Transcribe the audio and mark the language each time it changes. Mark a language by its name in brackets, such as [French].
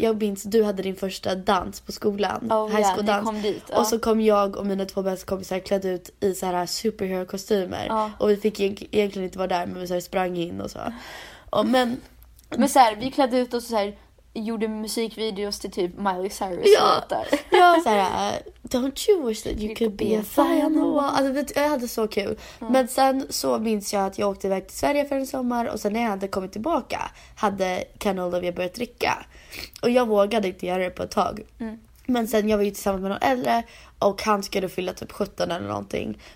[Swedish] Jag minns du hade din första dans på skolan, high school dans. Kom dit, och så kom jag och mina två bästa kompisar klädda ut i så här superhero kostymer och vi fick egentligen inte vara där, men vi så här sprang in och så. Och, men så här, vi klädde ut oss så här, gjorde musikvideos till typ Miley Cyrus låtar. Ja, så här, [English] don't you wish that you could be a fly on the wall. [Swedish] Alltså vet, jag hade så kul. Mm. Men sen så minns jag att jag åkte iväg till Sverige för en sommar. Och sen när jag hade kommit tillbaka hade Canola och jag börjat dricka. Och jag vågade inte göra det på ett tag. Mm. Men sen jag var ju tillsammans med någon äldre. Och han skulle fylla typ 17 eller någonting.